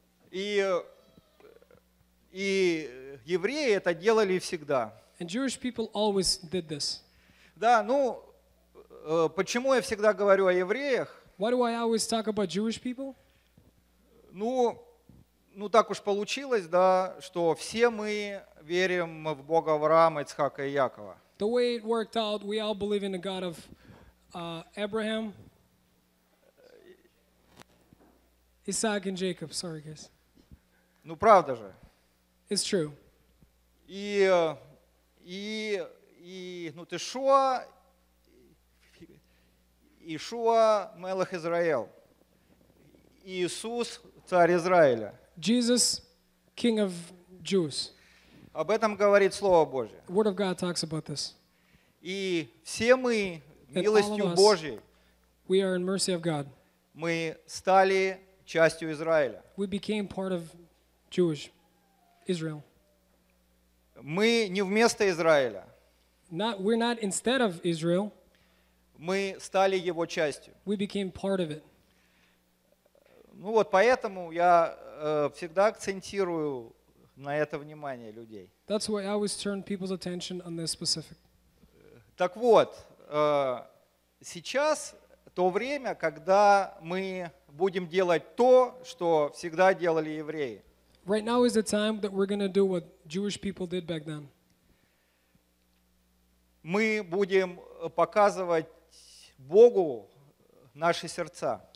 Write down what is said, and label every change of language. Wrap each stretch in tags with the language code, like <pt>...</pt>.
<ru>И евреи это делали всегда.</ru> <en>And Jewish people always did this.</en> <ru>Да, ну, почему я всегда говорю о евреях?</ru> <en>Why do I always talk about Jewish people?</en> <ru>Ну, так уж получилось, да, что все мы верим в Бога Авраама, Ицхака и Якова.</ru> <en>The way it worked out, we all believe in the God of Abraham, Isaac and Jacob. Sorry, guys.</en> <ru>Ну, правда же.</ru> <en>It's true.</en> <ru>Ну, ты шо...</ru> <he>Ишуа Мелех Израил.</he> <ru>Иисус царь Израиля.</ru> <en>Jesus, King of Jews.</en> <ru>Об этом говорит Слово Божие.</ru> <en>Word of God talks about this.</en> <ru>И все мы милостью Божьей.</ru> <en>We are in mercy of God.</en> <ru>Мы стали частью Израиля.</ru> <en>We became part of Jewish Israel.</en> <ru>Мы не вместо Израиля.</ru> <en>Not, we're not instead of Israel.</en> <ru>Мы стали его частью.</ru> <en>We became part of it.</en> <ru>Ну вот поэтому я всегда акцентирую на это внимание людей.</ru> <en>That's why I always turn people's attention on this specific.</en> <ru>Так вот, сейчас то время, когда мы будем делать то, что всегда делали евреи.</ru> <en>Right now is the time that we're going to do what Jewish people did back then.</en> <ru>Мы будем показывать Богу наши сердца.</ru>